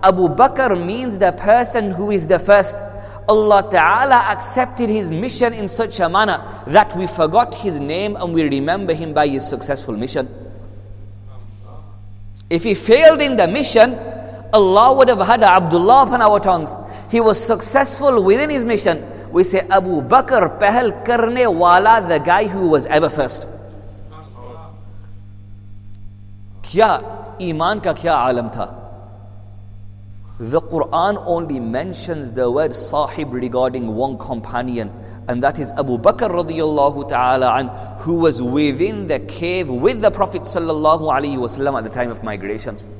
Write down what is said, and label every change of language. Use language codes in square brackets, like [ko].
[en] Abu Bakr means the person who is the first. Allah Ta'ala accepted his mission in such a manner that we forgot his name and we remember him by his successful mission. If he failed in the mission, Allah would have had Abdullah upon our tongues. He was successful within his mission. We say Abu Bakr [ur] pehal karne wala, [en] the guy who was ever first. [ur] کیا ایمان کا کیا عالم تھا؟ [en] The Quran only mentions the word sahib regarding one companion, and that is Abu Bakr radiyallahu ta'ala an, who was within the cave with the Prophet sallallahu alayhi wasallam at the time of migration.